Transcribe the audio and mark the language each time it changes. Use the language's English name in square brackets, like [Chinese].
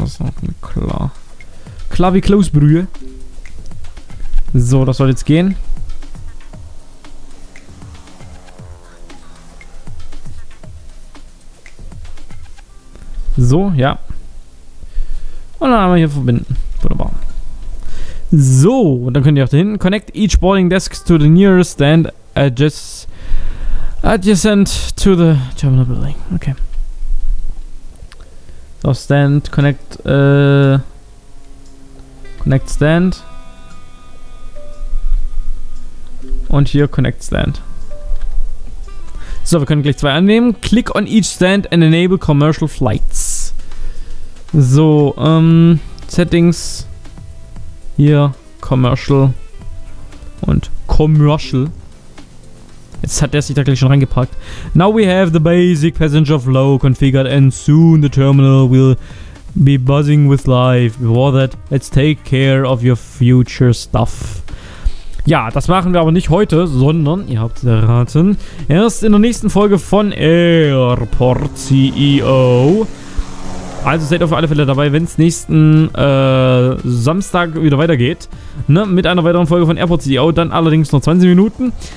[German] Das ist noch klar. Klar wie Klausbrühe. So, das soll jetzt gehen. So, ja. Und dann einmal hier verbinden. Wunderbar. So, und dann könnt ihr auch da hinten. [English] Connect each boarding desk to the nearest stand adjacent to the terminal building. Okay. So, stand, connect, connect stand. [German] Und hier [English] connect stand. [German] So, wir können gleich zwei annehmen. [English] Click on each stand and enable commercial flights. [German] So, Settings, hier, Commercial und Commercial. Jetzt hat der sich da gleich schon reingepackt. [English] Now we have the basic passenger flow configured and soon the terminal will be buzzing with life. Before that, let's take care of your future stuff. [German] Ja, das machen wir aber nicht heute, sondern, ihr habt es erraten, erst in der nächsten Folge von Airport CEO. Also seid auf alle Fälle dabei, wenn es nächsten Samstag wieder weitergeht, ne, mit einer weiteren Folge von Airport CEO, dann allerdings nur 20 Minuten.